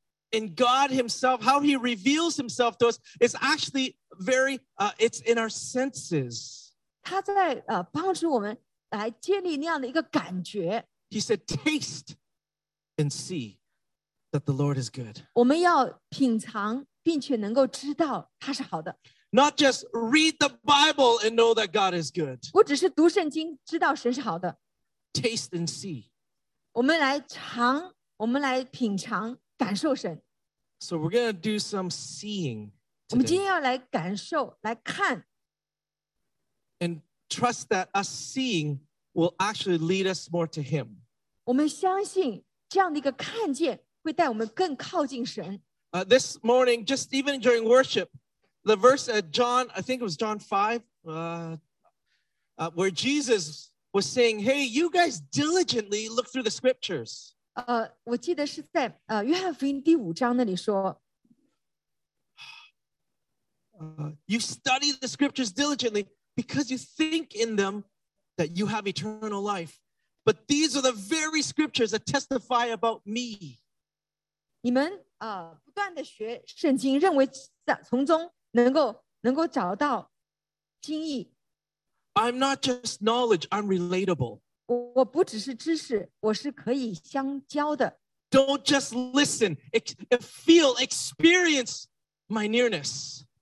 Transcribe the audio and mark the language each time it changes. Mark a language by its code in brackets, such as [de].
[en] And God himself, how he reveals himself to us is actually very, it's in our senses. [zh] 他在帮助我们来建立那样的一个感觉 [en] He said, taste. And see that the Lord is good. [zh] 我们要品尝并且能够知道他是好的。 [en] Not just read the Bible and know that God is good. [zh] 不只是读圣经知道神是好的。 [en] Taste and see. [zh] 我们来尝，我们来品尝，感受神。 [en] So we're going to do some seeing today. [zh] 我们今天要来感受，来看。 [en] And trust that us seeing will actually lead us more to Him. [zh] 我们相信这样的一个看见会带我们更靠近神。 [en] This morning, just even during worship, the verse at John, I think it was John 5, where Jesus was saying, hey, you guys diligently look through the scriptures. [zh] 我记得是在约翰福音第五章那里说 [en] you study the scriptures diligently because you think in them that you have eternal life. But these are the very scriptures that testify about me. [zh] 你们不断的学圣经，认为在从中能够找到经义。 [en] I'm not just knowledge; I'm relatable. [zh] 我不只是知识，我是可以相交的。 [en] Don't just listen; feel, experience my nearness.